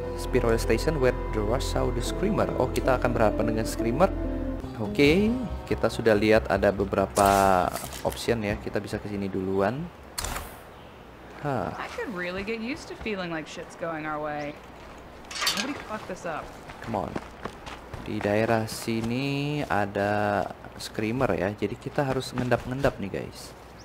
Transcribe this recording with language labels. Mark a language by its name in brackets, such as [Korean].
[English] Spiral Station where the Rush saw the Screamer. [Indonesian] Oh, kita akan berhadapan dengan Screamer. Oke, okay. Kita sudah lihat ada beberapa option ya. Kita bisa ke sini duluan. [English] I could really get used to feeling like shit's going our way. Nobody fuck this up. Come on. [Indonesian] Di daerah sini ada screamer ya. Jadi kita harus ngendap-ngendap nih, guys.